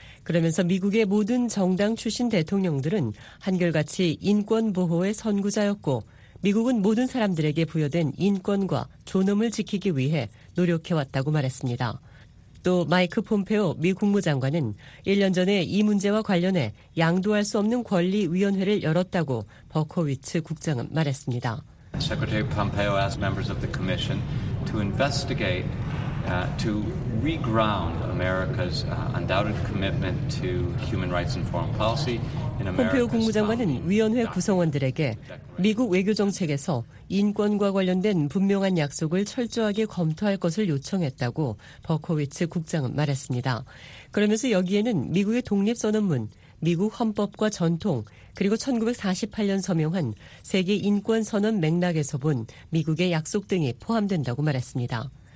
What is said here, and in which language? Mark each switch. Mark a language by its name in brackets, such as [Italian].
[Korean] 그러면서 미국의 모든 정당 출신 대통령들은 한결같이 인권 보호의 선구자였고 미국은 모든 사람들에게 부여된 인권과 존엄을 지키기 위해 노력해왔다고 말했습니다. 또 마이크 폼페오 미 국무장관은 1년 전에 이 문제와 관련해 양도할 수 없는 권리위원회를 열었다고 버코위츠 국장은 말했습니다. [English] Secretary Pompeo asked members of the commission to investigate, to reground America's undoubted commitment to human rights and foreign policy. [Korean] 폼페오 국무장관은 위원회 구성원들에게 미국 외교정책에서 인권과 관련된 분명한 약속을 철저하게 검토할 것을 요청했다고 버코위츠 국장은 말했습니다. 그러면서 여기에는 미국의 독립선언문, 미국 헌법과 전통, 그리고 1948년 서명한 세계인권선언 맥락에서 본 미국의 약속 등이 포함된다고 말했습니다.